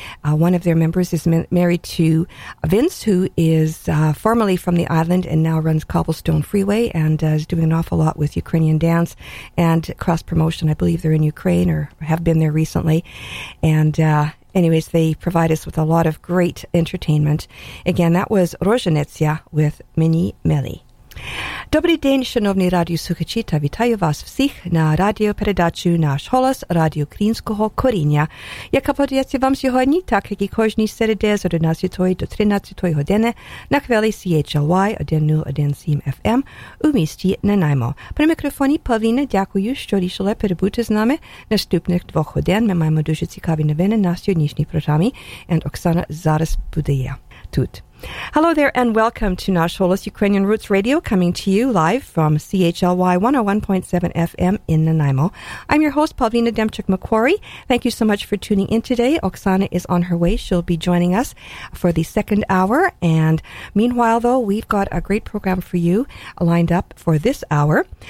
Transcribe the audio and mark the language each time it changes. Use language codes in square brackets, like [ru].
[en] One of their members is married to Vince, who is formerly from the island and now runs Cobblestone Freeway and is doing an awful lot with Ukrainian dance and cross-promotion. I believe they're in Ukraine or have been there recently. And anyways, they provide us with a lot of great entertainment. Again, that was Rozhenetsia with Mini Meli. [uk] Добрий день, шановні радіослухачі, та вітаю вас всіх на радіопередачу «Наш голос» радіо українського коріння, яка подається вам сьогодні, так як і кожні середи з 11 до 13 години на хвилі CHLY 1017 FM у місті Нанаймо. При мікрофоні Павліна, дякую, що рішили перебути з нами наступних двох годин. Ми маємо дуже цікаві новини на сьогоднішній програмі, and Оксана зараз буде тут. [en] Hello there and welcome to Nash Holos Ukrainian Roots Radio, coming to you live from CHLY 101.7 FM in Nanaimo. I'm your host, Pavlina Demchuk-Macquarie. Thank you so much for tuning in today. Oksana is on her way. She'll be joining us for the second hour. And meanwhile, though, we've got a great program for you lined up for this hour.